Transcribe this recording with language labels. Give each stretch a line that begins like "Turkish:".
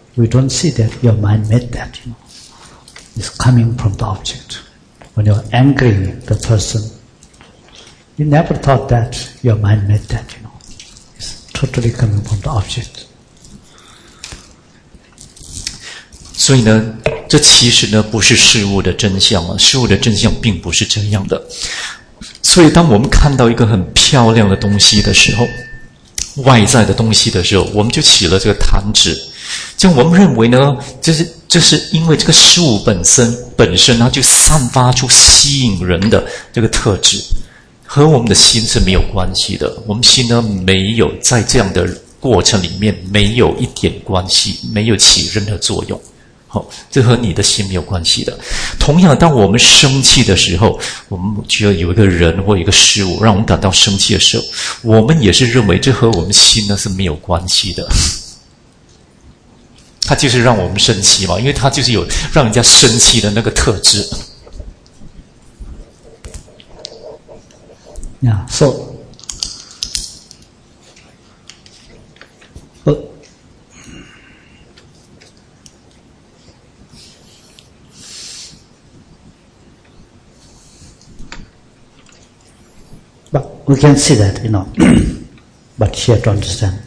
English: We don't see that your mind made that. You know, it's coming from the object. When you're angry with the person, you never thought that your mind made that. You know, it's totally coming from the object.
Chinese: 所以呢？这其实呢不是事物的真相啊，事物的真相并不是这样的。所以当我们看到一个很漂亮的东西的时候，外在的东西的时候，我们就起了这个贪执。这样我们认为呢，这是因为这个事物本身它就散发出吸引人的这个特质，和我们的心是没有关系的。我们心呢没有在这样的过程里面没有一点关系，没有起任何作用。好，这和你的心没有关系的。同样，当我们生气的时候，我们觉得有一个人或一个事物让我们感到生气的时候，我们也是认为这和我们心呢是没有关系的。它就是让我们生气嘛，因为它就是有让人家生气的那个特质。
English: Yeah, so, but we can see that, you know, but here to understand,